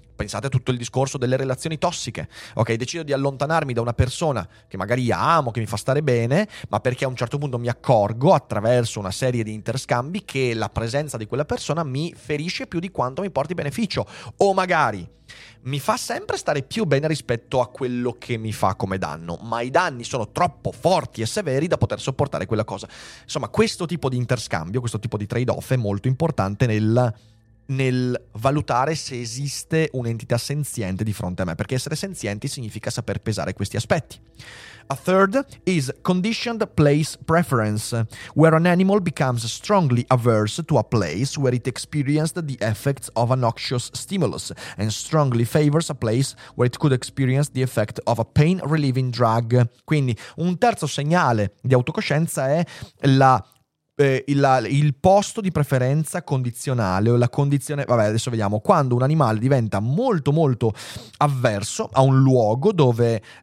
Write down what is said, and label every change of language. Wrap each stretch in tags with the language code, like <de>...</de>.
<it>Pensate a tutto il discorso delle relazioni tossiche, ok? Decido di allontanarmi da una persona che magari amo, che mi fa stare bene, ma perché a un certo punto mi accorgo attraverso una serie di interscambi che la presenza di quella persona mi ferisce più di quanto mi porti beneficio, o magari mi fa sempre stare più bene rispetto a quello che mi fa come danno, ma i danni sono troppo forti e severi da poter sopportare quella cosa. Insomma, questo tipo di interscambio, questo tipo di trade-off è molto importante nel valutare se esiste un'entità senziente di fronte a me, perché essere senzienti significa saper pesare questi aspetti.</it> <en>A third is conditioned place preference, where an animal becomes strongly averse to a place where it experienced the effects of a noxious stimulus and strongly favors a place where it could experience the effect of a pain relieving drug.</en> <it>Quindi un terzo segnale di autocoscienza è il posto di preferenza condizionale, o la condizione, vabbè, adesso vediamo, quando un animale diventa molto molto avverso a un luogo dove</it>